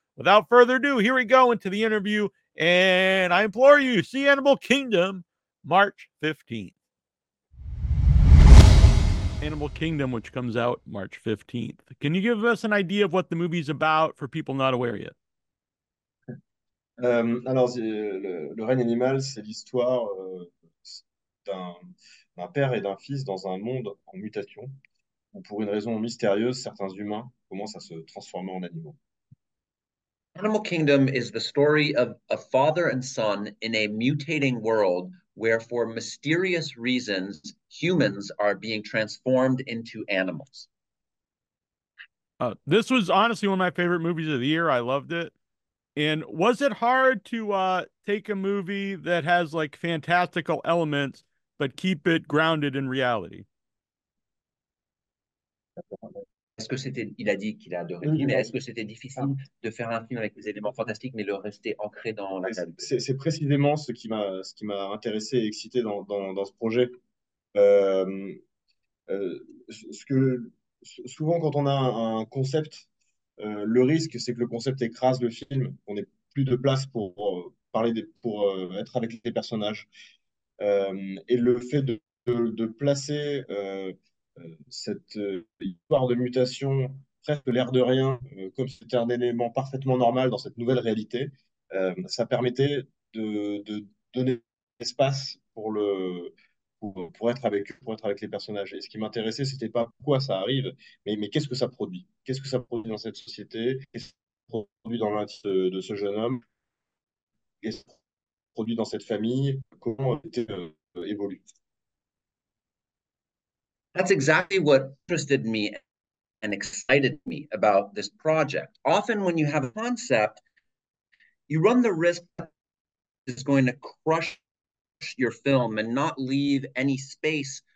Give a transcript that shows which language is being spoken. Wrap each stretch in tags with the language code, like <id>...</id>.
<en>Without further ado, here we go into the interview, and I implore you, see Animal Kingdom, March 15th. Animal Kingdom, which comes out March 15th. Can you give us an idea of what the movie's about for people not aware yet?</en> <fr>Alors, le règne animal, c'est l'histoire d'un père et d'un fils dans un monde en mutation, où pour une raison mystérieuse, certains humains commencent à se transformer en animaux.</fr> <en>Animal Kingdom is the story of a father and son in a mutating world where, for mysterious reasons, humans are being transformed into animals. This was honestly one of my favorite movies of the year. I loved it. And was it hard to take a movie that has, like, fantastical elements but keep it grounded in reality?</en> <fr>Est-ce que c'était, il a dit qu'il a adoré le film, mais est-ce que c'était difficile de faire un film avec des éléments fantastiques, mais le rester ancré dans la réalité? C'est précisément ce qui m'a intéressé et excité dans ce projet. Souvent, quand on a un concept, le risque, c'est que le concept écrase le film, qu'on n'ait plus de place pour parler, pour être avec les personnages. Et le fait de placer cette histoire de mutation, presque l'air de rien, comme si c'était un élément parfaitement normal dans cette nouvelle réalité, ça permettait de donner espace pour le. Pour être avec eux, pour être avec les personnages. Et ce qui m'intéressait, c'était pas pourquoi ça arrive, mais qu'est-ce que ça produit? Qu'est-ce que ça produit dans cette société? Qu'est-ce que ça produit dans l'intimité de ce jeune homme? Qu'est-ce que ça produit dans cette famille? Comment a-t-il évolué?</fr> <en>That's exactly what interested me and excited me about this project. Often, when you have a concept, you run the risk that it's going to crush your film and not leave any space.</en>